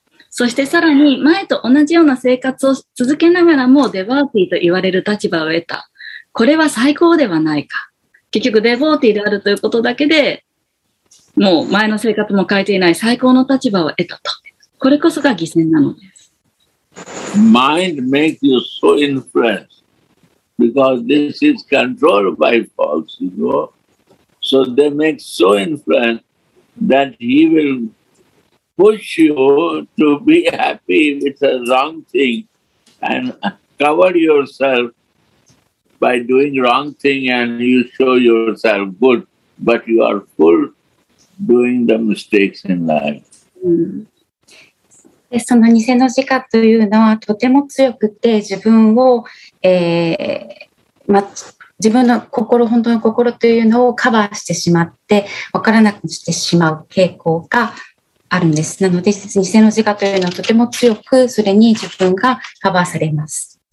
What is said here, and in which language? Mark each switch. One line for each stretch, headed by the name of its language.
Japanese: そしてさらに前と同じような生活を続けながらもデボーティと言われる立場を得た。これは最高ではないか。結局デボーティであるということだけで、もう前の生活も変えていない最高の立場を得たと。これこそが偽善なのです。
English: Mind makes you so influenced because this is controlled by false ego. So they make so influence that he will push you to be happy with a wrong thing and cover yourself by doing wrong thing and you show yourself good, but you are full doing the mistakes in life.
Japanese: で、その偽の自我というのはとても強くて自分を、自分の心、本当の心というのをカバーしてしまって、分からなくしてしまう傾向があるんです。なので、偽の自我というのはとても強く、それに自分がカバーされます。